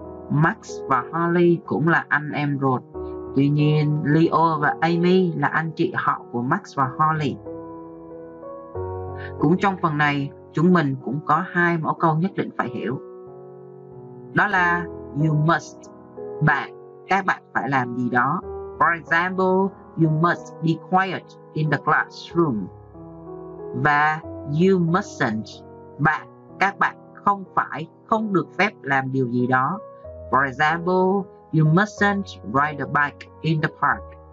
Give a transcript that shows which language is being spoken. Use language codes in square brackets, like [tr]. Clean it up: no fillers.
[vi] Max và Holly cũng là anh em ruột. Tuy nhiên, Leo và Amy là anh chị họ của Max và Holly. Cũng trong phần này, chúng mình cũng có hai mẫu câu nhất định phải hiểu. Đó là [en] you must, [vi] bạn, các bạn phải làm gì đó. [en] For example, you must be quiet in the classroom. [vi] Và [en] you mustn't, [vi] bạn, các bạn không phải, không được phép làm điều gì đó. [en] For example, you mustn't ride a bike in the park.